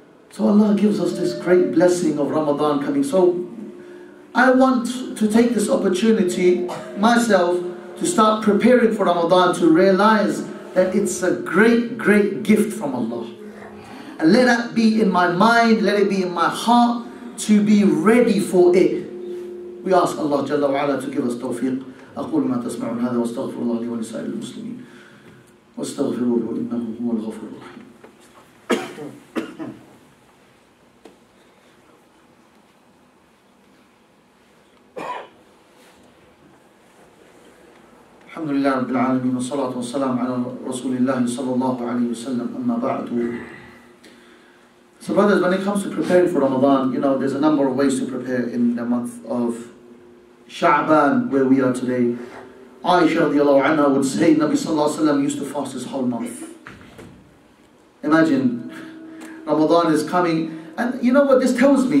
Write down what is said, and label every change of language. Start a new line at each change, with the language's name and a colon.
English: So Allah gives us this great blessing of Ramadan coming. So I want to take this opportunity myself to start preparing for Ramadan, to realize that it's a great, great gift from Allah. And let that be in my mind, let it be in my heart, to be ready for it. We ask Allah Jalla wa'ala to give us tawfiq.
Arabic: أقول ما تسمعون هذا واستغفر الله لي ولسائر المسلمين واستغفروه إنه هو الغفور الرحيم. الحمد لله رب العالمين والصلاة والسلام على رسول الله صلى الله عليه وسلم أما بعد.
English: So brothers, when it comes to preparing for Ramadan, you know there's a number of ways to prepare in the month of Sha'ban, where we are today. Aisha radiallahu anha would say Nabi sallallahu alayhi wa sallam used to fast his whole month. Imagine, Ramadan is coming. And you know what this tells me?